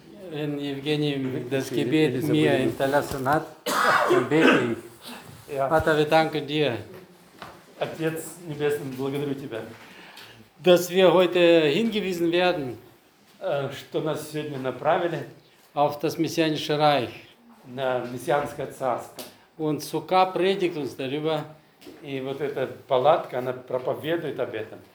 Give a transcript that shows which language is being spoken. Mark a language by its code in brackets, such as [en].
[de] Wenn Евгений das Gebet mir hinterlassen hat, dann bete ich. Vater, wir danken dir. Ab jetzt, [ru] небесный, благодарю тебя. [de] Dass wir heute hingewiesen werden, [ru] что нас сегодня направили, [de] auf das messianische Reich, [ru] на мессианское царство. [de] Und Sukkah predigt uns darüber. [ru] И вот эта палатка, она проповедует об этом.